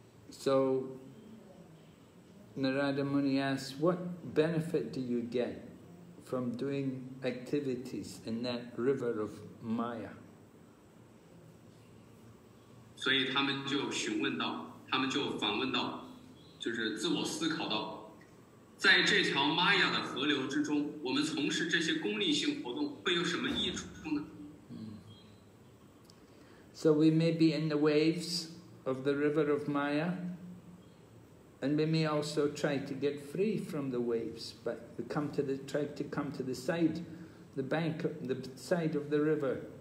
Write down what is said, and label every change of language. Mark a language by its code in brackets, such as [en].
[en] So Narada Muni asks, what benefit do you get from doing activities in that river of Maya? [zh] 所以他们就询问到，他们就反问到，就是自我思考到，在这条玛雅的河流之中，我们从事这些功利性活动会有什么益处呢？ [en] So we may be in the waves of the river of Maya, and we may also try to get free from the waves, but we come to the try to come to the side, the bank, the side of the river.